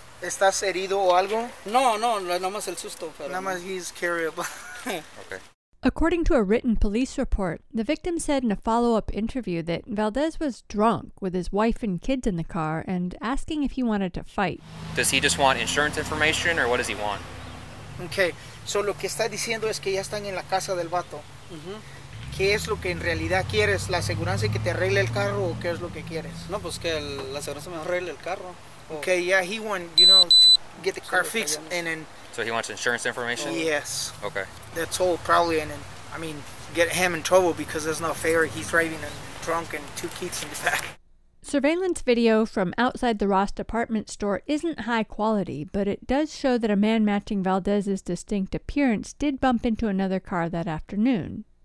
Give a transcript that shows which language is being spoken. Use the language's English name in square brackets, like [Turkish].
[Spanish] ¿Estás herido o algo? No, nada más el susto. Pero nada más he's curable. [English] Okay. According to a written police report, the victim said in a follow-up interview that Valdez was drunk with his wife and kids in the car and asking if he wanted to fight. Does he just want insurance information or what does he want? [Spanish] Okay, so lo que está diciendo es que ya están en la casa del vato. ¿Qué es lo que en realidad quieres? ¿La aseguranza que te arregle el carro o qué es lo que quieres? No, pues que la aseguranza me arregle el carro. [English] Okay, yeah, he want, you know, to get the car fixed and then... So he wants insurance information? Yes. Okay. That's all probably, and then, I mean, get him in trouble because that's not fair. He's driving and drunk and two kids in the back. Surveillance video from outside the Ross department store isn't high quality, but it does show that a man matching Valdez's distinct appearance did bump into another car that afternoon.